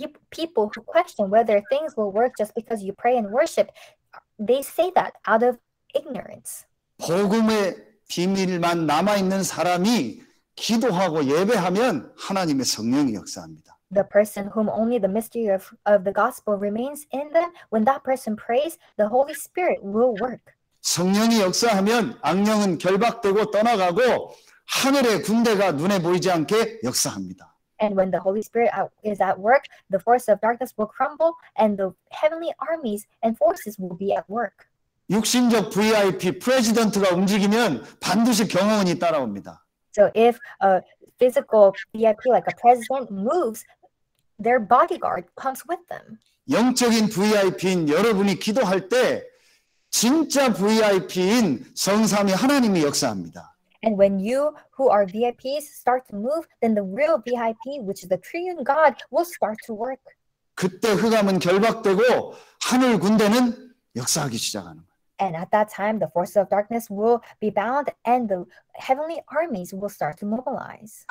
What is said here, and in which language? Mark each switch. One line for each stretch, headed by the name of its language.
English: People who question whether things will work just because you pray and worship, they say that out of ignorance.
Korean: 복음의 비밀만 남아 있는 사람이 기도하고 예배하면 하나님의 성령이 역사합니다.
English: The person whom only the mystery of the gospel remains in them, when that person prays, the Holy Spirit will work.
Korean: 성령이 역사하면 악령은 결박되고 떠나가고 하늘의 군대가 눈에 보이지 않게 역사합니다.
English: And when the Holy Spirit is at work, the force of darkness will crumble and the heavenly armies and forces will be at work.
Korean: 육신적 VIP 프레지던트가 움직이면 반드시 경호원이 따라옵니다.
English: So if a physical VIP like a president moves, their bodyguard comes with them.
Korean: 영적인 VIP인 여러분이 기도할 때 진짜 VIP인 성삼위 하나님이 역사합니다.
English: And when you who are VIPs start to move, then the real VIP, which is the triune God, will start to work.
Korean: 그때 흑암은 결박되고 하늘 군대는 역사하기 시작하는 거예요.
English: And at that time, the forces of darkness will be bound and the heavenly armies will start to mobilize.